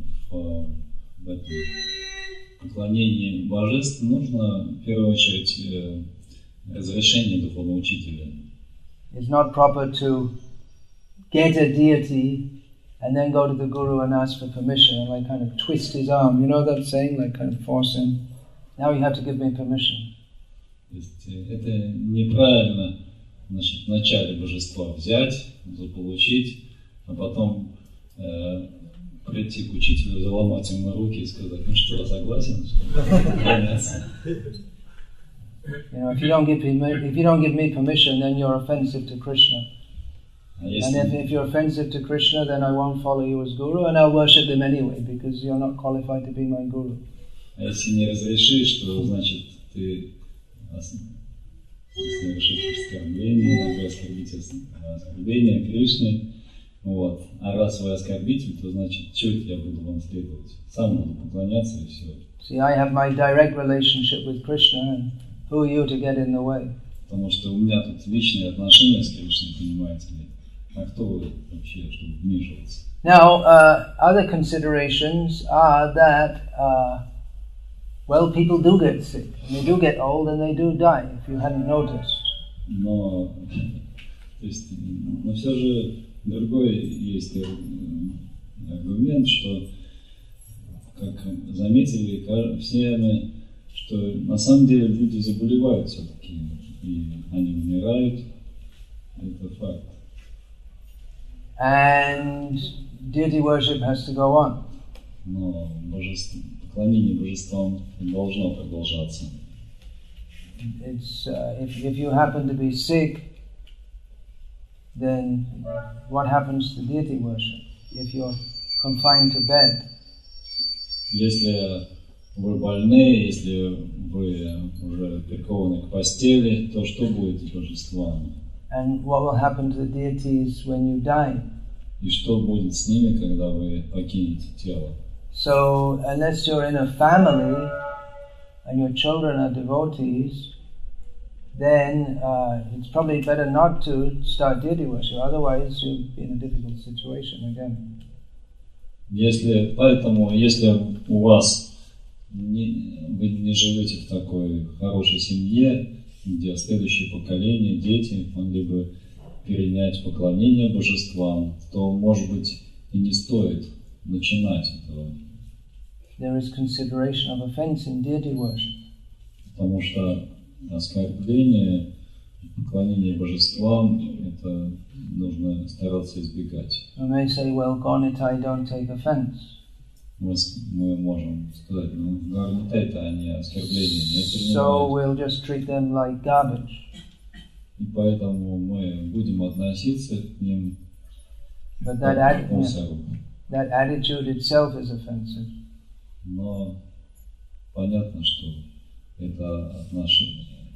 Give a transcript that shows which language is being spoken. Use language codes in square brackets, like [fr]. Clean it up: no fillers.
[ru] В этом поклонении божеств нужно, в первую очередь, разрешение духовного учителя. [en] It's not proper to get a deity and then go to the guru and ask for permission and like kind of twist his arm. You know that saying, like kind of force him. Now you have to give me permission. [ru] То есть это неправильно. Значит, вначале божество взять, заполучить, а потом прийти к учителю, заломать ему руки и сказать, ну что, согласен? [en] You know, if you don't give me permission, then you're offensive to Krishna. And if you're offensive to Krishna, then I won't follow you as guru, and I'll worship him anyway because you're not qualified to be my guru. [ru] Если не разрешишь, то значит ты оскорбление Кришны. Вот. А раз вы оскорбитель, то значит, что я буду вам следовать? Сам буду поклоняться и все. [en] See, I have my direct relationship with Krishna, and who are you to get in the way? [ru] Потому что у меня тут личные отношения с Кришной, понимаете ли. А кто вы вообще, чтобы вмешиваться? [en] Now, other considerations are that, well, people do get sick. They do get old and they do die, if you hadn't noticed. [ru] Но, то есть, но все же... Другой есть аргумент, что, как заметили все мы, что на самом деле люди заболевают все-таки, и они умирают, это факт. [en] And deity worship has to go on. [ru] Но божество, поклонение божествам должно продолжаться. [en] It's, if you happen to be sick, then what happens to deity worship if you're confined to bed? [ru] Если вы больны, если вы уже прикованы к постели, то что будет с божествами? [en] And what will happen to the deities when you die? [ru] И что будет с ними, когда вы покинете тело? [en] So unless you're in a family and your children are devotees, then it's probably better not to start deity worship, otherwise you'll be in a difficult situation again. [ru] Если, поэтому, если у вас вы не живете в такой хорошей семье, где следующее поколение, дети, могли бы перенять поклонение божествам, то, может быть, и не стоит начинать этого. [en] There is consideration of offense in deity worship. [ru] Потому что оскорбление, поклонение божествам, это нужно стараться избегать. [en] We may say, well, Garnitai don't take offense. [ru] Мы можем сказать, ну, Garnitai, это они оскорбления не принимают. So we'll just treat them like garbage. И поэтому мы будем относиться к ним как к мусору. [en] That attitude itself is offensive. [ru] Но понятно, что это отношение.